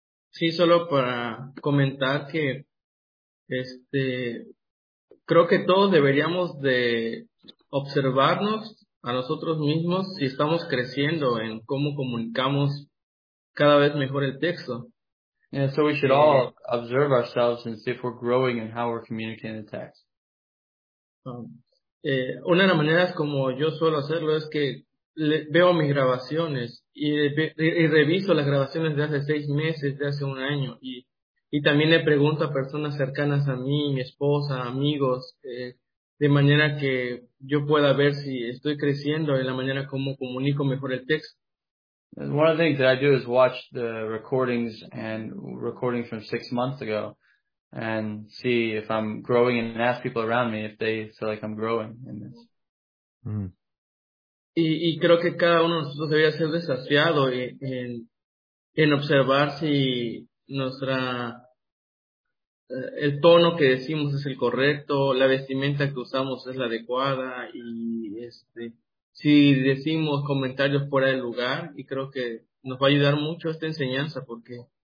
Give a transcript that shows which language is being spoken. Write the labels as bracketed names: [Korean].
[Spanish] Sí, solo para comentar que creo que todos deberíamos de observarnos a nosotros mismos si estamos creciendo en cómo comunicamos cada vez mejor el texto. [English] Yeah, so we should all observe ourselves and see if we're growing and how we're communicating the text. [Spanish] Una de las maneras como yo suelo hacerlo es que veo mis grabaciones y reviso las grabaciones de hace 6 meses, de hace 1 año. Y también le pregunto a personas cercanas a mí, mi esposa, amigos, de manera que yo pueda ver si estoy creciendo en la manera como comunico mejor el texto. [English] One of the things that I do is watch the recordings and recordings from 6 months ago and see if I'm growing and ask people around me if they feel like I'm growing in this. Mm. [Spanish] Y creo que cada uno de nosotros debería ser desafiado en observar si nuestra el tono que decimos es el correcto, la vestimenta que usamos es la adecuada y si decimos comentarios fuera de lugar. Y creo que nos va a ayudar mucho esta enseñanza porque